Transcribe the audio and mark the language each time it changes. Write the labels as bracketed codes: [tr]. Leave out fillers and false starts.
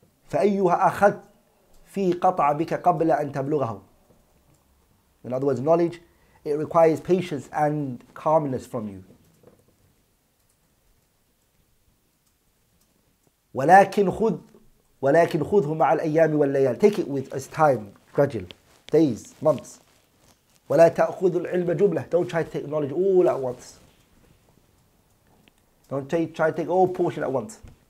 [ar] فأيها أخذ في قطع بك قبل أن تبلغه. [en] In other words, knowledge, it requires patience and calmness from you. [ar] ولكن خذه مع الأيام والليالي. [en] Take it with as time, gradual, days, months. [ar] ولا تأخذ العلم جملة. [en] Don't try to take knowledge all at once. Don't try to take all portion at once.